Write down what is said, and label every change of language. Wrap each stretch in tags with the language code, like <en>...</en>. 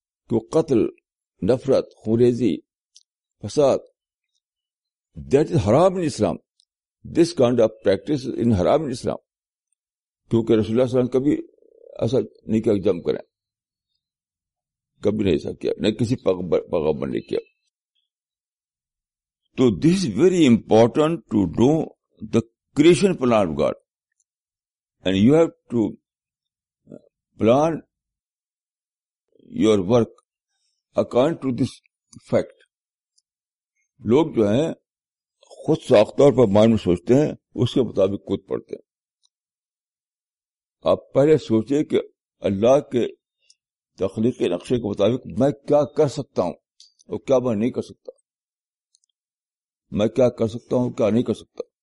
<en>تو</en> <ur>قتل, نفرت, خونریزی, فساد,</ur> <en>That is حرام in Islam. This kind of practice in حرام in Islam.</en> <ur>کیونکہ رسول اللہ صلی اللہ علیہ وسلم کبھی ایسا نہیں کیا جم کریں, کبھی نہیں ایسا کیا, نہ کسی پیغمبر نے کیا.</ur> <en>تو this is very important to do the creation plan of God. And you have to plan your work according to this fact.</en> <ur>لوگ جو ہیں خود ساختہ طور پر مائنڈ میں سوچتے ہیں, اس کے مطابق کود پڑتے ہیں. آپ پہلے سوچیں کہ اللہ کے تخلیقی نقشے کے مطابق میں کیا کر سکتا ہوں اور کیا میں نہیں کر سکتا, میں کیا کر سکتا ہوں کیا نہیں کر سکتا.</ur>